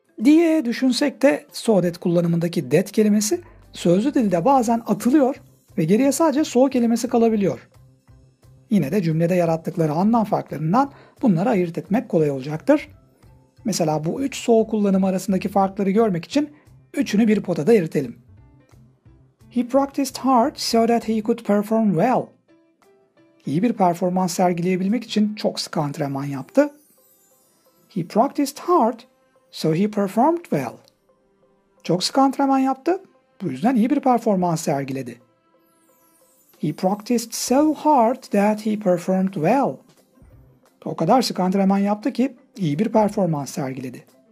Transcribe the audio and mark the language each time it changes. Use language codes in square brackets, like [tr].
[tr] Diye düşünsek de so that kullanımındaki that kelimesi sözlü dilde bazen atılıyor ve geriye sadece so kelimesi kalabiliyor. Yine de cümlede yarattıkları anlam farklarından bunları ayırt etmek kolay olacaktır. Mesela bu üç so kullanımı arasındaki farkları görmek için üçünü bir potada eritelim. [en] He practiced hard so that he could perform well. [tr] İyi bir performans sergileyebilmek için çok sık antrenman yaptı. [en] He practiced hard so he performed well. [tr] Çok sık antrenman yaptı, bu yüzden iyi bir performans sergiledi. [en] He practiced so hard that he performed well. [tr] O kadar sık antrenman yaptı ki iyi bir performans sergiledi.